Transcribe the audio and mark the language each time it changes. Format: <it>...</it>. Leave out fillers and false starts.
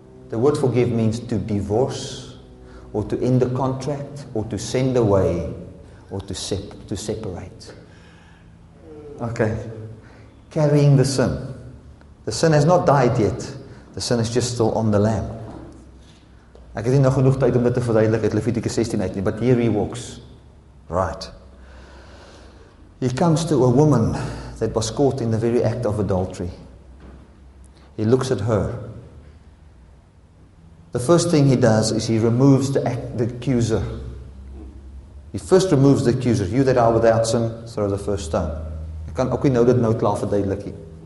<en>The word forgive means to divorce, or to end the contract, or to send away, or to separate. Okay. Carrying the sin. The sin has not died yet. The sin is just still on the lamb.</en> <af>Ek het nie nog genoeg tyd om dit te verduidelik uit Levitikus 16 uit nie,</af> <en>but here he walks. Right. He comes to a woman that was caught in the very act of adultery. He looks at her. The first thing he does is he removes the accuser. He first removes the accuser. You that are without sin, throw the first stone.</en> <af>Ek kan ook nie nou dit nou klaar verduidelik nie.</af>